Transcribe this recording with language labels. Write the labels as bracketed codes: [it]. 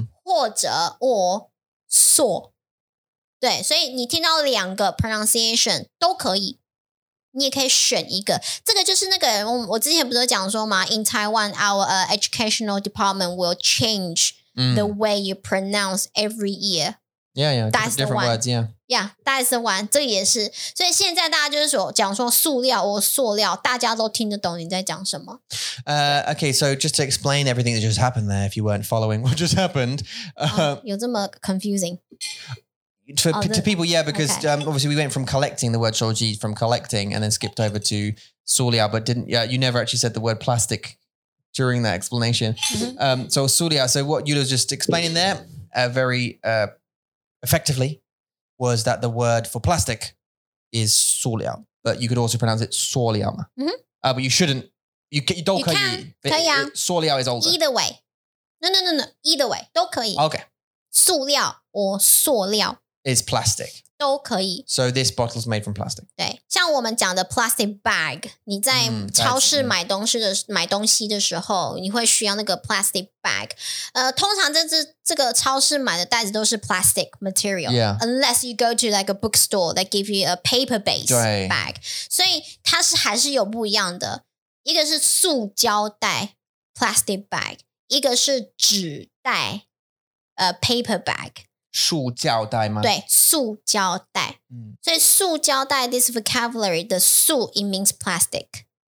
[zh] 或者 or 塑对所以你听到两个 pronunciation 都可以你也可以选一个这个就是那个我之前不是讲说吗 [en] in Taiwan our educational department will change the way you pronounce every year yeah yeah that's different words yeah Yeah, that's the one. [zh] 这也是。所以现在大家就是说讲说塑料或塑料大家都听得懂你在讲什么。 [en] Okay, so just to explain everything that just happened there, if you weren't following what just happened. [zh] 有这么 confusing. [en] To people, yeah, because okay. Obviously we went from collecting the word 收集 from collecting and then skipped over to 塑料 but didn't, yeah, you never actually said the word plastic during that explanation. Mm-hmm. So 塑料, so what Yula was just explaining there very effectively. Was that the word for plastic is 塑料 but you could also pronounce it 塑料嘛、mm-hmm. But you shouldn't, you don't [zh] 可以可以啊 [en] 塑料 is older. Either way. No, either way, [zh] 都可以 [en] Okay. [zh] 塑料 or 塑料 [en] is plastic. [zh] 都可以 [en] So this bottle is made from plastic. [zh] 对像我们讲的 [en] plastic bag, [zh] 你在超市买东西 买东西的时候你会需要那个 plastic bag. 通常这个超市买的袋子都是 [en] plastic material. Yeah. Unless you go to like a bookstore that give you a paper-based bag. [zh] 所以它是还是有不一样的。一个是塑胶袋 plastic bag, 一个是纸袋 paper bag. 塑胶袋吗？对，塑胶袋。所以塑胶袋 [en] this vocabulary [zh] 的塑 [en] it means plastic.